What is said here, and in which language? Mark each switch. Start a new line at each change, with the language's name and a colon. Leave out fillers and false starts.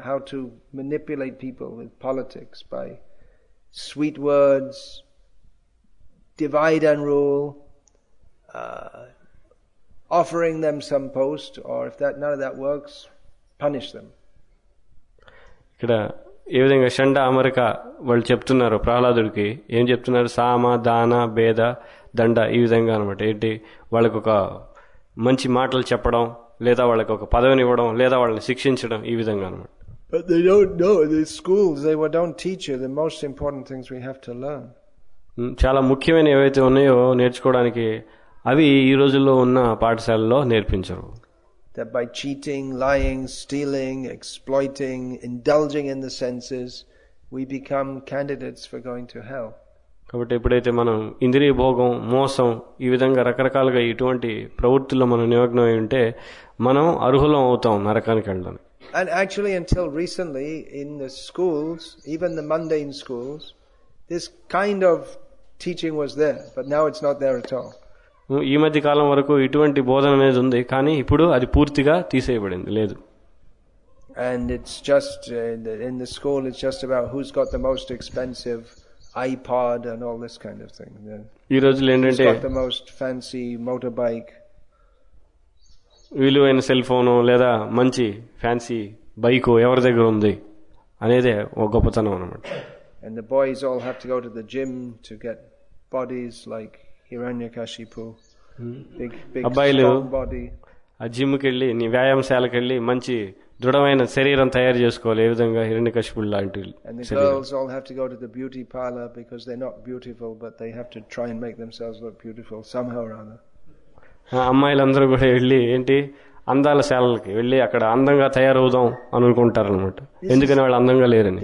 English: How to manipulate people with politics by sweet words, divide and rule, offering them some post, or if that none of that works, punish them.
Telugu: ఇక్కడ ఏ విధంగా షండ అమరిక వాళ్ళు చెప్తున్నారు ప్రహ్లాదుడికి ఏం చెప్తున్నారు సామ దాన భేద దండ ఈ విధంగా అనమాట ఏంటి వాళ్ళకు ఒక మంచి మాటలు చెప్పడం లేదా వాళ్ళకి ఒక పదవిని ఇవ్వడం లేదా వాళ్ళని శిక్షించడం ఈ విధంగా అనమాట
English: But they don't know the schools they don't teach you the most important things we have to learn
Telugu: చాలా ముఖ్యమైన ఏవైతే ఉన్నాయో నేర్చుకోవడానికి అవి ఈ రోజుల్లో ఉన్న పాఠశాలల్లో నేర్పించరు
English: That by cheating, lying, stealing, exploiting, indulging in the senses, we become candidates for going to hell.
Telugu: కాబట్టి ఎప్పుడైతే మనం ఇంద్రియ భోగం మోసం ఈ విధంగా రకరకాలుగా ఇటువంటి ప్రవృత్తుల్లో మనం నిమగ్నం అయి ఉంటే మనం అర్హులం అవుతాం నరకానికి వెళ్ళడానికి
English: And actually until recently in the schools, even the mundane schools, this kind of teaching was there, but now it's not there at all.
Telugu: ఈ మధ్య కాలం వరకు ఇటువంటి బోధన అనేది ఉంది కానీ ఇప్పుడు అది పూర్తిగా తీసేయబడింది లేదు
English: and it's just in the school it's just about who's got the most expensive iPod and all this kind of thing
Telugu: ఈ రోజుల్లో ఏంటంటే
English: the most fancy motorbike
Telugu: విలువైన సెల్ ఫోన్ లేదా మంచి ఫ్యాన్సీ బైక్ ఎవరి దగ్గర ఉంది అనేది ఒక గొప్పతనం అన్నమాట
English: And the boys all have to go to the gym to get bodies like Hiranyakashipu, big strong body.
Telugu: అజిమ్కెళ్ళి నీ వ్యాయామశాలకు వెళ్ళి మంచి దృఢమైన శరీరం తయారు చేసుకోవాలి ఏ విధంగా హిరణ్యకశిపు లాంటి
English: And the girls all have to go to the beauty parlor because they're not beautiful but they have to try and make themselves look beautiful somehow or other.
Telugu: అమ్మాయిలందరూ కూడా వెళ్ళి ఏంటి అందాల శాలకి వెళ్ళి అక్కడ అందంగా తయారవుదాం అనుకుంటారు అన్నమాట ఎందుకని వాళ్ళు అందంగా లేరని